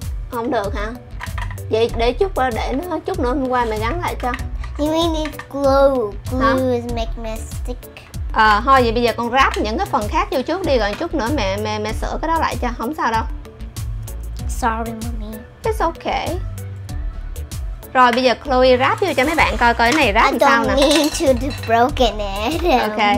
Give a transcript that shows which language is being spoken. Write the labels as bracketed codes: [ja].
[vi] Không được hả? Vậy để chút qua, để nó chút nữa hôm qua mày gắn lại cho. [en] You mean it's glue is make me stick. [vi] À, thôi vậy bây giờ con ráp những cái phần khác vô trước đi, rồi chút nữa mẹ sửa cái đó lại cho, không sao đâu. [en] Sorry mommy. It's okay. [vi] Rồi bây giờ Chloe ráp vô cho mấy bạn coi coi cái này ráp sao nè. [en] I don't mean to do broken it. Okay.